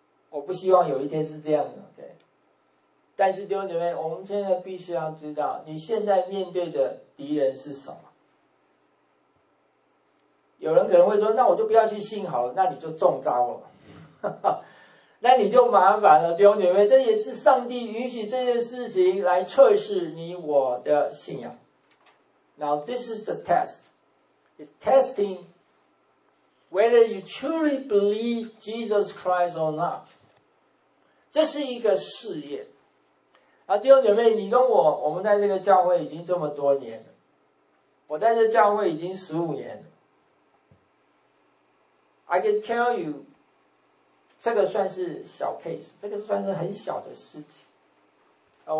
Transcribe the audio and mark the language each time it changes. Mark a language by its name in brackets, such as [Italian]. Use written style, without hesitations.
[Chinese] 我不希望有一天是这样的、okay? 但是弟兄姐妹，我们现在必须要知道你现在面对的敌人是什么。有人可能会说，那我就不要去信好了，那你就中招了那你就麻烦了，弟兄姐妹，这也是上帝允许这件事情来测试你我的信仰。 [English] Now this is the testTesting whether you truly believe Jesus Christ or not. [Chinese] 这是一个试验。啊，弟兄姐妹，你跟我们在这个教会已经这么多年了。我在这教会已经15年了。 [English] I can tell you, [Chinese] 这个算是小 case, 这个算是很小的事情。